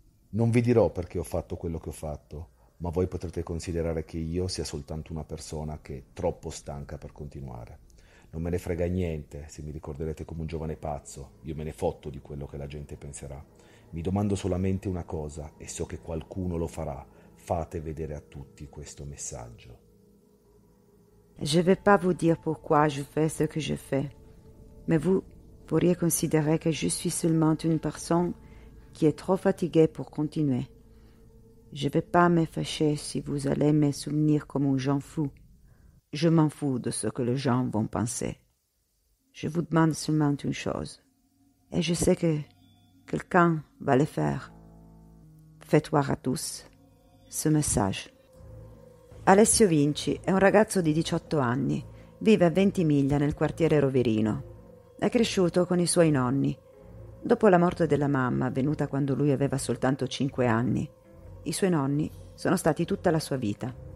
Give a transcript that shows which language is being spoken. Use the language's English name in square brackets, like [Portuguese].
[Italian] Non vi dirò perché ho fatto quello che ho fatto, ma voi potrete considerare che io sia soltanto una persona che è troppo stanca per continuare. Non me ne frega niente se mi ricorderete come un giovane pazzo, io me ne fotto di quello che la gente penserà. Mi domando solamente una cosa e so che qualcuno lo farà. Fate vedere a tutti questo messaggio. [French] Je ne vais pas vous dire pourquoi je fais ce que je fais, mais vous pourriez considérer que je suis seulement une personne qui est trop fatiguée pour continuer. Je ne vais pas me fâcher si vous allez me souvenir comme un genre fou. Je m'en fous de ce que les gens vont penser. Je vous demande seulement une chose, et je sais que quelqu'un va le faire. Faites voir à tous ce message. [Italian] Alessio Vinci è un ragazzo di 18 anni, vive a Ventimiglia nel quartiere Roverino. È cresciuto con i suoi nonni. Dopo la morte della mamma, avvenuta quando lui aveva soltanto 5 anni, i suoi nonni sono stati tutta la sua vita.